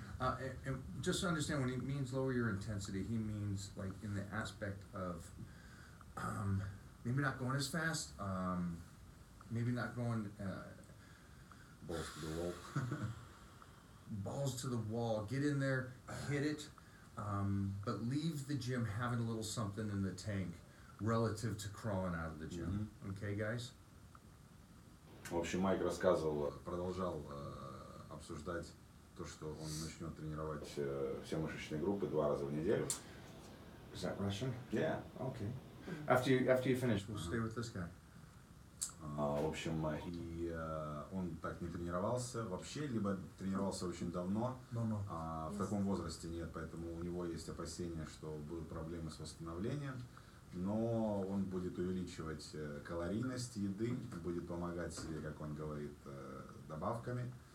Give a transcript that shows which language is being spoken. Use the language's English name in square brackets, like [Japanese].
[English] And just to understand, when he means lower your intensity, he means like in the aspect of maybe not going as fast, maybe not going... Balls to the wall. Balls to the wall. Get in there, hit it, but leave the gym having a little something in the tank. Relative to crawling out of the gym. Mm-hmm. Okay, guys? [Russian] В общем, Майк рассказывал, продолжал обсуждать то, что он начнет тренировать все мышечные группы 2 раза в неделю. [English] Is that Russian? Yeah. Okay. After you finish, we'll stay with this guy. [Russian] В общем, Майк. И он так не тренировался вообще, либо тренировался очень давно. [English] No. [Russian] В таком возрасте нет, поэтому у него есть опасения, что будут проблемы с восстановлением. Но он будет увеличивать калорийность еды, будет помогать себе, как он говорит, добавками.